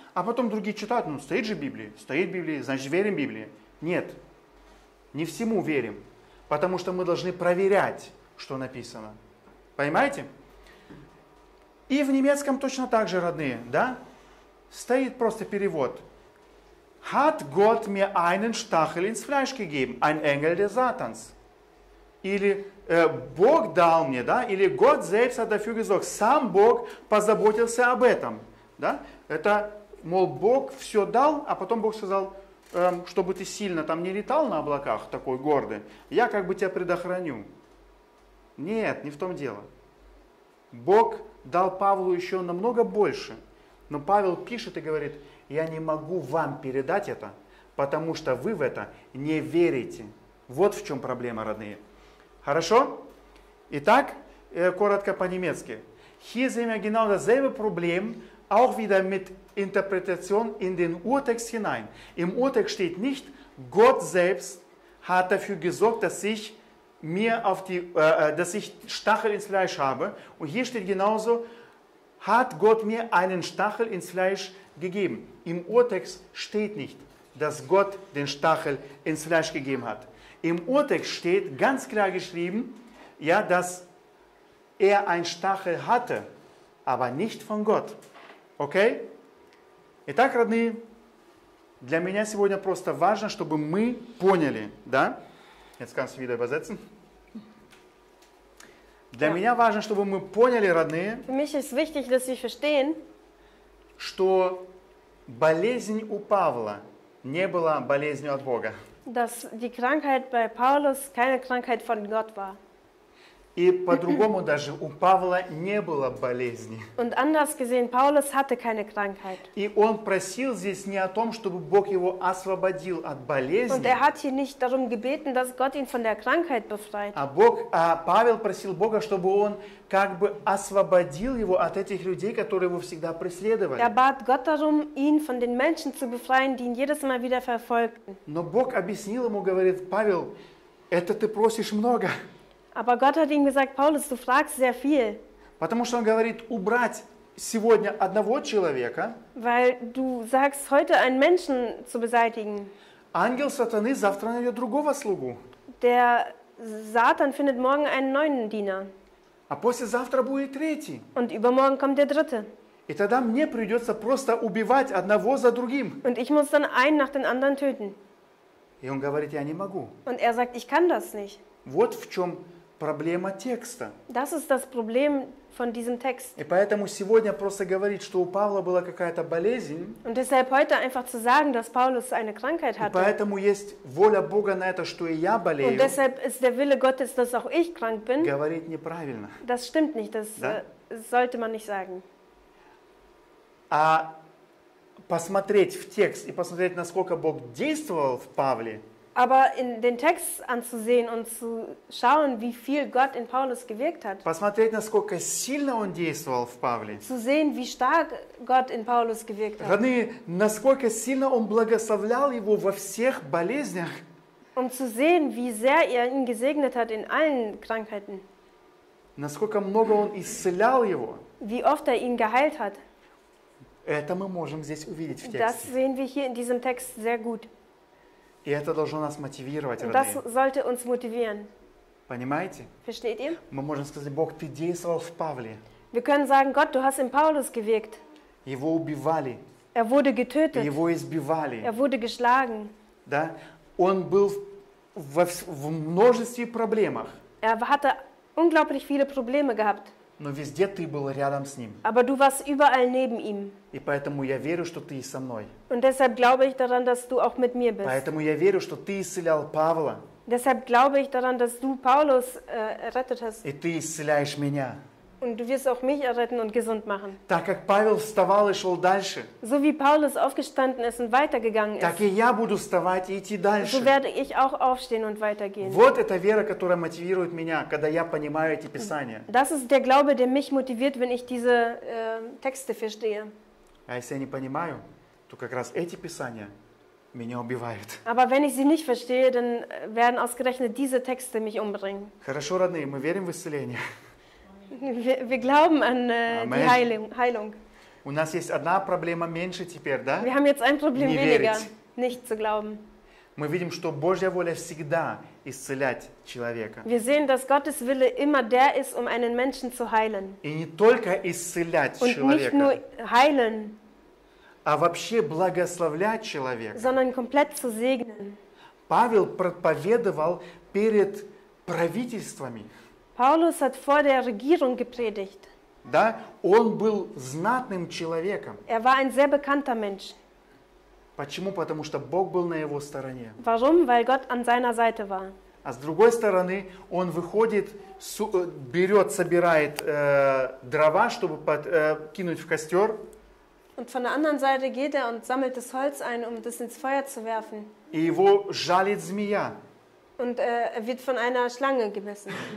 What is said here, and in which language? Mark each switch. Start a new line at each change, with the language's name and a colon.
Russian: А потом другие читают, ну, стоит же Библия, стоит Библия, значит, верим Библии. Нет. Не всему верим, потому что мы должны проверять, что написано. Понимаете? И в немецком точно так же, родные, да? Стоит просто перевод.
German: Hat Gott mir einen Stachel ins Fleisch gegeben? Ein Engel des Satans.
Russian: Или Бог дал мне, да? Или
German: Gott selbst hat dafür gesorgt.
Russian: Сам Бог позаботился об этом. Да? Это, мол, Бог все дал, а потом Бог сказал... чтобы ты сильно там не летал на облаках, такой гордый, я как бы тебя предохраню. Нет, не в том дело. Бог дал Павлу еще намного больше, но Павел пишет и говорит, я не могу вам передать это, потому что вы в это не верите. Вот в чем проблема, родные. Хорошо? Итак, коротко по-немецки.
German: Hier sehen wir genau dasselbe Problem, auch wieder mit Interpretation in den Urtext hinein. Im Urtext steht nicht, Gott selbst hat dafür gesorgt, dass ich mir auf die, dass ich Stachel ins Fleisch habe. Und hier steht genauso, hat Gott mir einen Stachel ins Fleisch gegeben. Im Urtext steht nicht, dass Gott den Stachel ins Fleisch gegeben hat. Im Urtext steht ganz klar geschrieben, ja, dass er einen Stachel hatte, aber nicht von Gott. Okay?
Russian: Итак, родные, для меня сегодня просто важно, чтобы мы поняли, да?
German: Jetzt kannst du wieder übersetzen.
Russian: Для меня важно, чтобы мы поняли, родные,
German: Für mich ist wichtig, dass Sie verstehen,
Russian: что болезнь у Павла не была болезнью от Бога.
German: Dass die Krankheit bei Paulus keine Krankheit von Gott war.
Russian: И по-другому даже у Павла не было болезни.
German: Und anders gesehen, Paulus hatte keine Krankheit.
Russian: И он просил здесь не о том, чтобы Бог его освободил от болезни.
German: Und er hat hier nicht darum gebeten, dass Gott ihn von der Krankheit befreit.
Russian: А Павел просил Бога, чтобы он как бы освободил его от этих людей, которые его всегда преследовали.
German: Er bat Gott darum, ihn von den Menschen zu befreien, die ihn jedes Mal wieder verfolgten.
Russian: Но Бог объяснил ему, говорит, Павел, это ты просишь много.
German: Aber Gott hat ihm gesagt, Paulus, du fragst sehr viel.
Russian: Потому что он говорит, убрать сегодня одного человека.
German: Weil du sagst, heute einen Menschen zu beseitigen.
Russian: Ангел сатаны завтра найдет другого слугу.
German: Der Satan findet morgen einen neuen Diener.
Russian: А послезавтра будет третий.
German: Und übermorgen kommt der dritte.
Russian: И тогда мне придется просто убивать одного за другим.
German: Und ich muss dann einen nach den anderen töten.
Russian: И он говорит, я не могу.
German: Und er sagt, ich kann das nicht.
Russian: Вот в чем проблема текста.
German: Das ist das Problem von diesem Text.
Russian: И поэтому сегодня просто говорить, что у Павла была какая-то болезнь.
German: Und deshalb heute einfach zu sagen, dass Paulus eine Krankheit hatte.
Russian: И поэтому есть воля Бога на это, что и я болею.
German: Und deshalb ist der Wille Gottes, dass auch ich krank bin.
Russian: Говорить неправильно.
German: Das stimmt nicht, das
Russian: да?
German: sollte man nicht sagen.
Russian: А посмотреть в текст и посмотреть, насколько Бог действовал в Павле.
German: Aber in den Text anzusehen und zu schauen, wie viel Gott in Paulus gewirkt hat.
Russian: Посмотреть, насколько сильно он действовал в Павле.
German: Zu sehen, wie stark Gott in Paulus gewirkt hat.
Russian: Родные, насколько сильно он благословлял его во всех болезнях.
German: Um zu sehen, wie sehr er ihn gesegnet hat in allen Krankheiten.
Russian: Насколько много он исцелял его.
German: Wie oft er ihn geheilt hat.
Russian: Это мы можем здесь увидеть в тексте.
German: Das sehen wir hier in diesem Text sehr gut.
Russian: И это должно нас мотивировать, родные.
German: Das sollte uns motivieren.
Russian: Понимаете?
German: Versteht ihr?
Russian: Мы можем сказать, Бог, ты действовал в Павле.
German: Wir können sagen, Gott, du hast in Paulus gewirkt.
Russian: Его убивали.
German: Er wurde getötet.
Russian: Его избивали.
German: Er wurde geschlagen.
Russian: Да? Он был в множестве проблемах.
German: Er hatte unglaublich viele Probleme gehabt.
Russian: Но везде ты был рядом с ним.
German: Aber du warst überall neben ihm.
Russian: И поэтому я верю, что ты со мной.
German: Und deshalb glaube ich daran, dass du auch mit mir bist.
Russian: Поэтому я верю, что ты исцелял Павла.
German: Deshalb glaube ich daran, dass du Paulus errettet hast.
Russian: И ты исцеляешь меня.
German: Und du wirst auch mich erretten und gesund machen.
Russian: Так как Павел вставал и шел дальше.
German: So wie Paulus aufgestanden ist und weitergegangen ist.
Russian: Так и я буду вставать и идти дальше.
German: So werde ich auch aufstehen und weitergehen.
Russian: Вот эта вера, которая мотивирует меня, когда я понимаю эти писания.
German: Das ist der Glaube, der mich motiviert, wenn ich diese Texte verstehe.
Russian: А если я не понимаю, то как раз эти писания меня убивают.
German: Aber wenn ich sie nicht verstehe, dann werden ausgerechnet diese Texte mich umbringen.
Russian: Хорошо, родные, мы верим в исцеление.
German: Wir glauben an die Heilung.
Russian: У нас есть одна проблема меньше теперь, да?
German: Wir haben jetzt ein Problem weniger, nicht zu glauben.
Russian: Мы видим, что Божья воля всегда исцелять человека.
German: Wir sehen, dass Gottes Wille immer der ist, um einen Menschen zu heilen.
Russian: И не только исцелять
German: Und
Russian: человека.
German: Nicht nur heilen.
Russian: А вообще благословлять человека.
German: Sondern komplett zu segnen.
Russian: Павел проповедовал перед правительствами.
German: Paulus hat vor der Regierung gepredigt.
Russian: Да, он был знатным человеком.
German: Er war ein sehr bekannter Mensch.
Russian: Почему? Потому что Бог был на его стороне.
German: Warum? Weil Gott an seiner Seite war.
Russian: А с другой стороны, он выходит, берет, собирает дрова, чтобы кинуть в костер.
German: Und von der anderen Seite geht er und sammelt das Holz ein, um das ins Feuer zu werfen.
Russian: И его жалит змея.
German: Und er wird von einer Schlange gebissen.